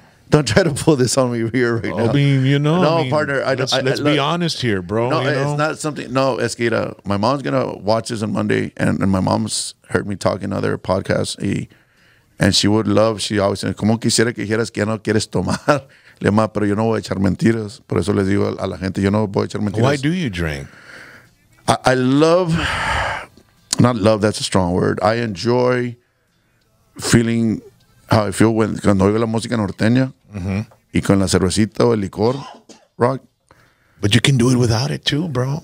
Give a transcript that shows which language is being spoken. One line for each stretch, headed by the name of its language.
English: Don't try to pull this on me here right now. I mean, you know. No, I mean, partner. Let's be honest here, bro. No, you know? It's not something. No,
Spanish: es que
English: my mom's going to watch this on Monday, and my mom's heard me talking in other podcasts, and she would love, she always said,
Spanish: ¿Cómo quisiera que dijeras que no quieres tomar? Le digo, pero yo no voy a echar mentiras. Por eso les digo a la gente, yo no voy a echar mentiras.
English: Why do you drink? I love, not love, that's a strong word. I enjoy feeling how I feel when
Spanish: cuando oigo la música norteña y con la cervecita o el licor, Rock.
English: But you can do it without it too, bro.